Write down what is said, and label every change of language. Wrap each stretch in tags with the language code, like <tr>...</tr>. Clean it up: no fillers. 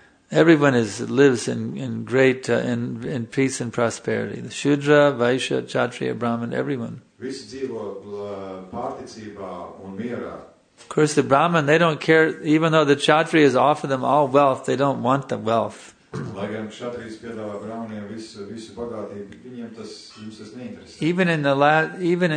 <en>Everyone lives in great peace and prosperity. The shudra, vaishya, kshatriya, brahman, everyone.</en> <lv>Visi dzīvo pārticībā un mierā.</lv> <en>Of course, the Brahman, they don't care, even though the Kshatriyas offer them all wealth, they don't want the wealth.</en> <lv>Lai gan Kshatriyas piedāvā Brahmaniem visu bagātību, jums tas neinteresē.</lv>